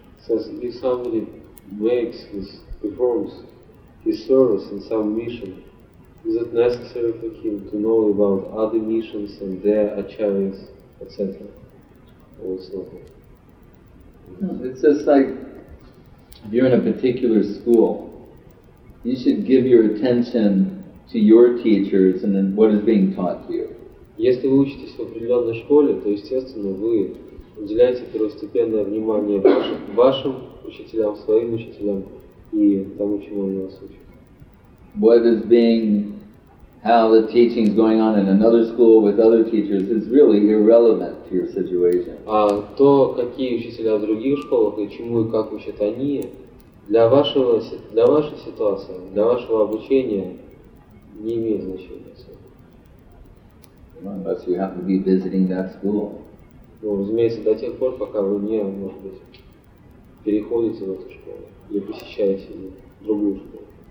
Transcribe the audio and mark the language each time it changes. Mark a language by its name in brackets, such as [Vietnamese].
[English] If somebody makes his, performs his service in some mission, is it necessary for him to know about other missions and their acharyas, etc.? It's just like if you're in a particular school, you should give your attention to your teachers and then what is being taught to you. [Russian] Если вы учитесь в определенной школе, то естественно вы уделяете первостепенное внимание вашим учителям, своим учителям и тому, чему они вас учат. [English] What is being, how the teaching is going on in another school with other teachers is really irrelevant to your situation. [Russian] А то, какие учителя в других школах и чему и как учат они, для вашей ситуации, для вашего обучения не имеет значения. [English] Unless you have to be visiting that school. [Russian] Ну, разумеется, до тех пор, пока вы не, может быть, переходите в эту школу или посещаете другую школу.